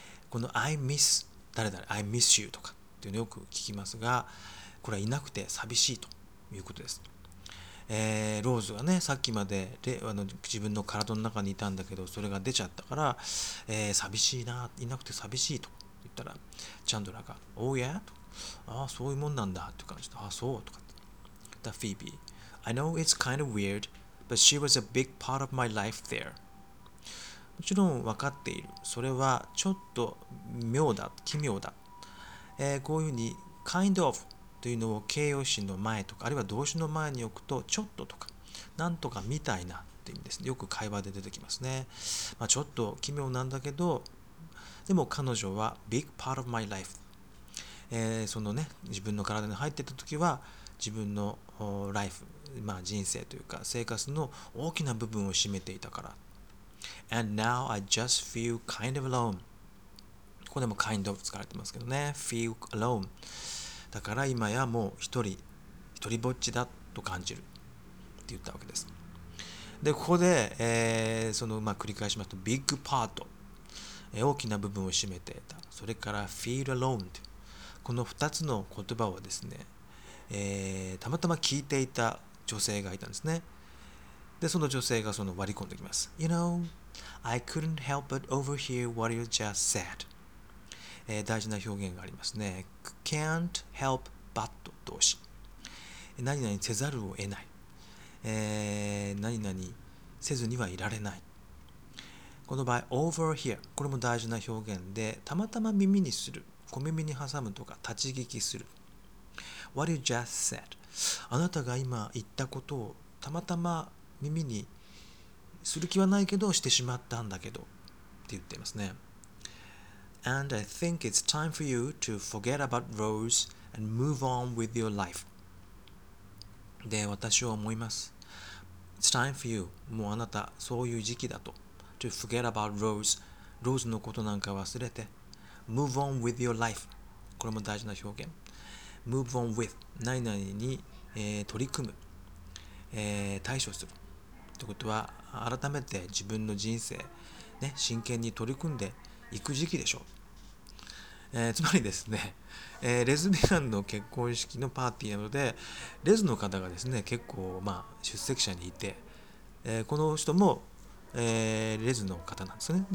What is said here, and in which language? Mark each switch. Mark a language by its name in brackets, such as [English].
[Japanese] この [English] I miss [Japanese] 誰誰 [English] I miss you [Japanese] とかっていうのよく聞きますが、これはいなくて寂しいということです。ローズはね、さっきまで自分の体の中にいたんだけどそれが出ちゃったから、寂しいな、いなくて寂しいと言ったら、チャンドラーが Oh yeah とああそういうもんなんだって感じで、ああそうとかって。 [English] フィービー I know it's kind of weird but she was a big part of my life there。 [Japanese] もちろん分かっている、それはちょっと妙だ、奇妙だ。こういうふうに kind of というのを形容詞の前とかあるいは動詞の前に置くと、ちょっととかなんとかみたいなって意味ですね。よく会話で出てきますね。まあ、ちょっと奇妙なんだけど、でも彼女は [English] big part of my life [Japanese] そのね、自分の体に入ってた時は自分のライフ、まあ、人生というか生活の大きな部分を占めていたから。 [English] And now I just feel kind of alone。 [Japanese] ここでも kind of 使われてますけどね、 [English] feel alone。 [Japanese] だから今やもう一人ぼっちだと感じるって言ったわけです。でここで、その、まあ、繰り返しますと big part、大きな部分を占めていた、それから feel alone というこの2つの言葉をですね、たまたま聞いていた女性がいたんですね。で、その女性がその割り込んできます。 [English] You know, I couldn't help but overhear what you just said.、 [Japanese] 大事な表現がありますね。 [English] Can't help but 動詞。 [Japanese] 何々せざるを得ない、何々せずにはいられない。この場合、overhear。これも大事な表現で、たまたま耳にする。小耳に挟むとか立ち聞きする。 [English] What you just said、 [Japanese] あなたが今言ったことをたまたま耳にする気はないけどしてしまったんだけどって言っていますね。 [English] And I think it's time for you to forget about Rose and move on with your life。 [Japanese] で私は思います。 [English] It's time for you、 [Japanese] もうあなたそういう時期だと。 [English] To forget about Rose、 [Japanese] ローズのことなんか忘れて、 [English] Move on with your life。 [Japanese] これも大事な表現。 Move on with 何々に、取り組む、対処するということは、改めて自分の人生、ね、真剣に取り組んでいく時期でしょう。つまりですね、レズビアンの結婚式のパーティーなので、レズの方がですね結構、まあ、出席者にいて、この人も、レズの方なんですね。